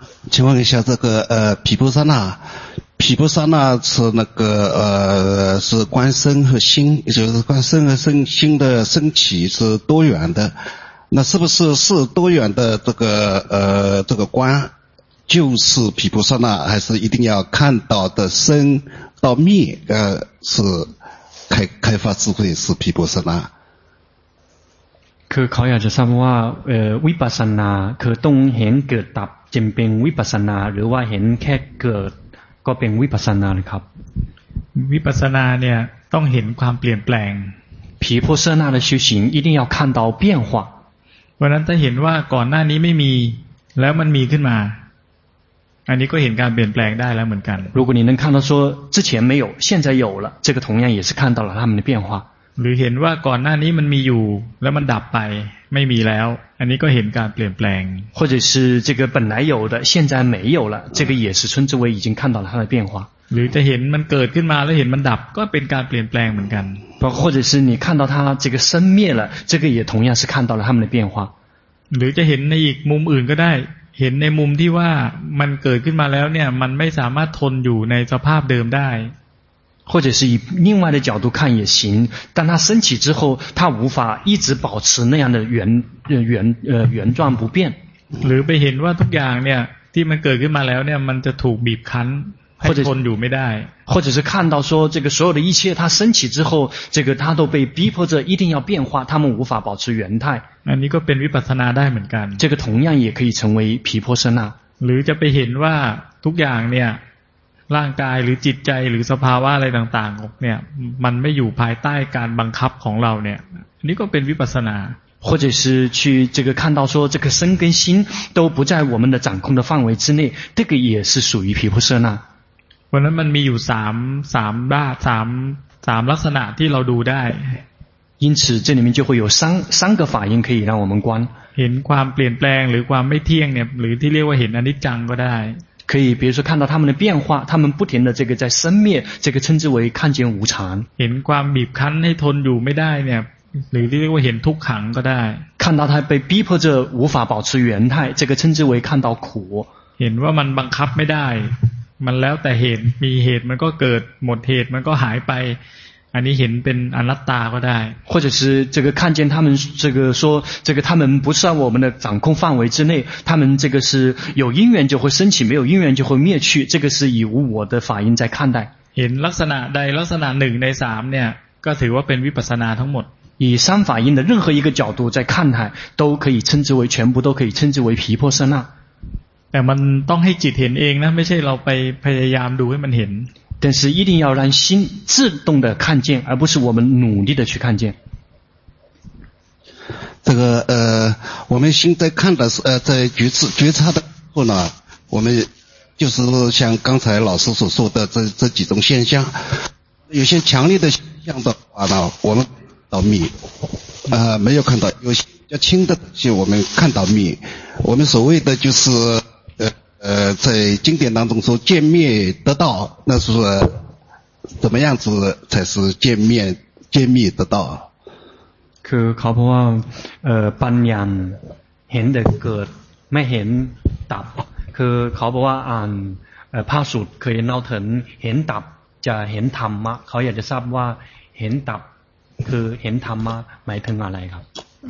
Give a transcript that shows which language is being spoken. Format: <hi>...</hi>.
<zh>请问一下，这个毗婆舍那。毗婆舍那是那个是观身和心，就是观身和身心的升起是多元的，那是不是是多元的这个这个观就是毗婆舍那，还是一定要看到的生到灭是开发智慧是毗婆舍那？</zh> <th>คือเขาอยากจะทราบว่าวิปัสสนาคือต้องเห็นเกิดดับจึงเป็นวิปัสสนาหรือว่าเห็นแค่เกิดก็เป็นวิปัสสนาเลยครับ วิปัสสนาเนี่ยต้องเห็นความเปลี่ยนแปลง</th> <zh>毗婆舍那的修行一定要看到变化</zh> <th>วันนั้นถ้าเห็นว่าก่อนหน้านี้ไม่มีแล้วมันมีขึ้นมาอันนี้ก็เห็นการเปลี่ยนแปลงได้แล้วเหมือนกัน</th> <zh>如果你能看到说之前没有现在有了这个同样也是看到了他们的变化</zh> <th>หรือเห็นว่าก่อนหน้านี้มันมีอยู่แล้วมันดับไปไม่มีแล้วอันนี้ก็เห็นการเปลี่ยนแปลง</th> <zh>或者是这个本来有的现在没有了这个也是称之为已经看到了它的变化</zh> <th>หรือจะเห็นมันเกิดขึ้นมาแล้วเห็นมันดับก็เป็นการเปลี่ยนแปลงเหมือนกัน</th> <zh>或者是你看到它这个生灭了这个也同样是看到了它们的变化</zh> <th>หรือจะเห็นในอีกมุมอื่นก็ได้เห็นในมุมที่ว่ามันเกิดขึ้นมาแล้วเนี่ยมันไม่สามารถทนอยู่ในสภาพเดิมได้</th> <zh>或者是以另外的角度看也行，但它升起之后，它无法一直保持那样的原状不变。</zh> <th>หรือไปเห็นว่าทุกอย่างเนี่ยที่มันเกิดขึ้นมาแล้วเนี่ยมันจะถูกบีบคั้นให้ทนอยู่ไม่ได้。</th> <zh>或者是看到说这个所有的一切它升起之后，这个它都被逼迫着一定要变化，它们无法保持原态。</zh> <th>อันนี้ก็เป็นวิปัสสนาได้เหมือนกัน。</th> <zh>这个同样也可以成为毗婆舍那。</zh> <th>หรือจะไปเห็นว่าทุกอย่างเนี่ยร่างกายหรือจิตใจหรือสภาวะอะไรต่างๆเนี่ยมันไม่อยู่ภายใต้การบังคับของเราเนี่ยนี่ก็เป็นวิปัสสนา</th> <zh>或者是去这个看到说这个身跟心都不在我们的掌控的范围之内这个也是属于毗婆舍那</zh> <th>วันนั้นมันมีอยู่3ลักษณะที่เราดูได้</th> <zh>因此这里面就会有三个法印可以让我们观</zh> <th>เห็นความเปลี่ยนแปลงหรือความไม่เที่ยงเนี่ยหรือที่เรียกว่าเห็นอนิจจังก็ได้</th> <zh>可以比如说看到他们的变化他们不停的这个在生灭这个称之为看见无常</zh> <th>เห็นความบีบคั้นให้ทนอยู่ไม่ได้เนี่ยหรือเรียกว่าเห็นทุกขังก็ได้</th> <zh>看到他被逼迫着无法保持原态这个称之为看到苦</zh> <th>เห็นว่ามันบังคับไม่ได้มันแล้วแต่เหตุมีเหตุมันก็เกิดหมดเหตุมันก็หายไปอันนี้เห็นเป็นอนัตตาก็ได้</th> <zh>或者是这个看见他们这个说这个他们不是在我们的掌控范围之内他们这个是有因缘就会升起没有因缘就会灭去这个是以无我的法印在看待</zh> <th>เห็นลักษณะใดลักษณะหนึ่งในสามเนี่ยก็ถือว่าเป็นวิปัสสนาทั้งหมด</th> <zh>以三法印的任何一个角度在看它，都可以称之为全部都可以称之为毗婆舍那。</zh> <th>แต่มันต้องให้จิตเห็นเองนะไม่ใช่เราไปพยายามดูให้มันเห็น</th> <zh>但是一定要让心自动的看见，而不是我们努力的去看见。这个我们心在看的是在觉察的时候呢，我们就是像刚才老师所说的这几种现象，有些强烈的现象的话呢，我们看到迷，没有看到；有些比较轻的东西，我们看到迷。我们所谓的就是在经典当中说见灭得道，那是怎么样子才是见灭得道？</zh> <th>คือเขาพูดว่าปัญญาเห็นแต่เกิดไม่เห็นดับคือเขาบอกว่าอ่านพระสูตรเคยเล่าถึงเห็นดับจะเห็นธรรมะเขาอยากจะทราบว่าเห็นดับคือเห็นธรรมะหมายถึงอะไรครับ</th>